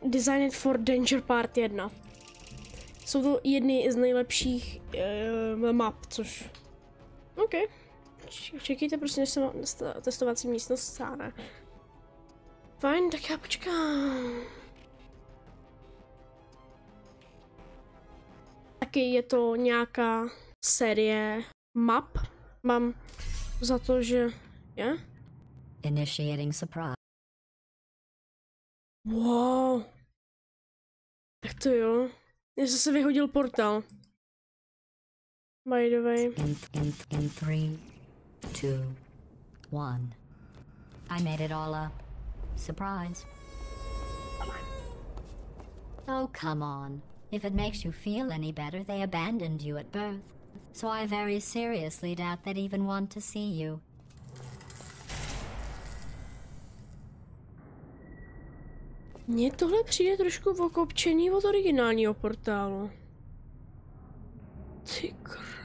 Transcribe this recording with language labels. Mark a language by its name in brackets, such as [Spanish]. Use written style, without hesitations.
[English] Designed for Danger Part 1. [Czech] Jsou to jedny z nejlepších map, což... OK. Čekejte prostě, než se mám testovací místnost stále. Fajn, tak já počkám. Taky je to nějaká série map. Mám za to, že... Je? [English] Initiating surprise. [Czech] Wow. Tak to jo. Já jsem se vyhodil portál. [English] By the way. In 3, 2, 1. I made it all up. Surprise. Oh, come on. If it makes you feel any better, they abandoned you at birth. So I very seriously doubt they'd even want to see you. [Czech] Mně tohle přijde trošku okopčený od originálního portálu. Tykr.